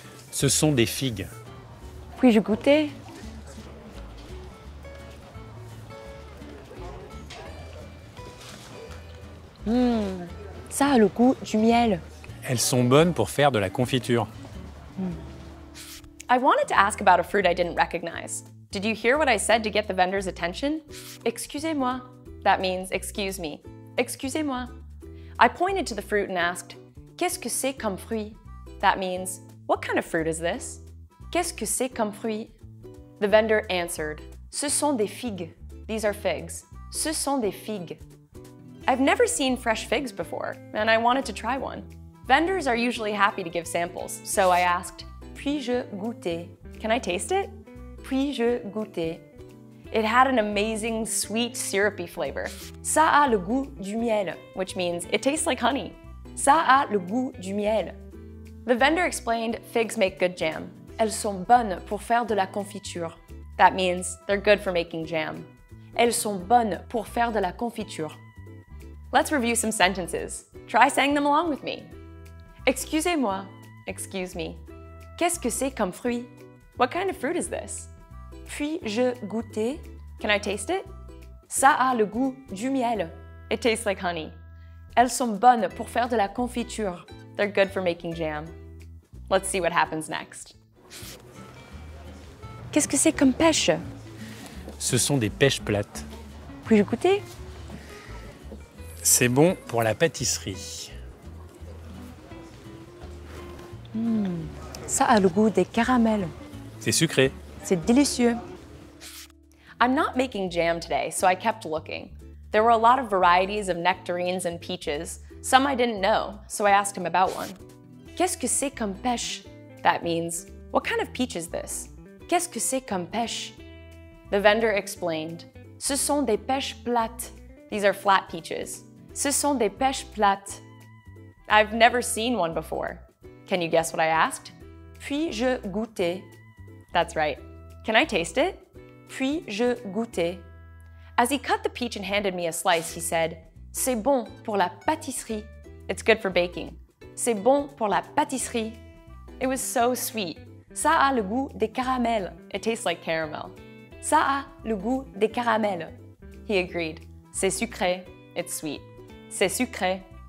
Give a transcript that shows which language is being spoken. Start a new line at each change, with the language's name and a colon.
French: Ce sont des figues. Puis-je goûter? Ça a le goût du miel. Elles sont bonnes pour faire de la confiture.
English: I wanted to ask about a fruit I didn't recognize. Did you hear what I said to get the vendor's attention?
French: Excusez-moi.
English: That means excuse me. Excusez-moi. I pointed to the fruit and asked,
French: Qu'est-ce que c'est comme fruit?
English: That means, what kind of fruit is this?
French: Qu'est-ce que c'est comme fruit?
English: The vendor answered,
French: Ce sont des figues.
English: These are figs.
French: Ce sont des figues.
English: I've never seen fresh figs before, and I wanted to try one. Vendors are usually happy to give samples, so I asked,
French: Puis-je goûter?
English: Can I taste it?
French: Puis-je goûter?
English: It had an amazing, sweet, syrupy flavor.
French: Ça a le goût du miel,
English: which means it tastes like honey.
French: Ça a le goût du miel.
English: The vendor explained figs make good jam.
French: Elles sont bonnes pour faire de la confiture.
English: That means they're good for making jam.
French: Elles sont bonnes pour faire de la confiture.
English: Let's review some sentences. Try saying them along with me.
French: Excusez-moi.
English: Excuse me.
French: Qu'est-ce que c'est comme fruit?
English: What kind of fruit is this?
French: Puis-je goûter?
English: Can I taste it?
French: Ça a le goût du miel.
English: It tastes like honey.
French: Elles sont bonnes pour faire de la confiture.
English: They're good for making jam. Let's see what happens next.
French: Qu'est-ce que c'est comme pêche? Ce sont des pêches plates. Puis-je goûter? C'est bon pour la pâtisserie. Ça a le goût des caramels. C'est sucré. C'est délicieux.
English: I'm not making jam today, so I kept looking. There were a lot of varieties of nectarines and peaches, some I didn't know, so I asked him about one.
French: Qu'est-ce que c'est comme pêche?
English: That means, what kind of peach is this?
French: Qu'est-ce que c'est comme pêche?
English: The vendor explained,
French: Ce sont des pêches plates.
English: These are flat peaches.
French: Ce sont des pêches plates.
English: I've never seen one before. Can you guess what I asked?
French: Puis-je goûter?
English: That's right. Can I taste it?
French: Puis-je goûter?
English: As he cut the peach and handed me a slice, he said,
French: C'est bon pour la pâtisserie.
English: It's good for baking.
French: C'est bon pour la pâtisserie.
English: It was so sweet.
French: Ça a le goût des caramels.
English: It tastes like caramel.
French: Ça a le goût des caramels.
English: He agreed.
French: C'est sucré.
English: It's sweet. C'est sucré.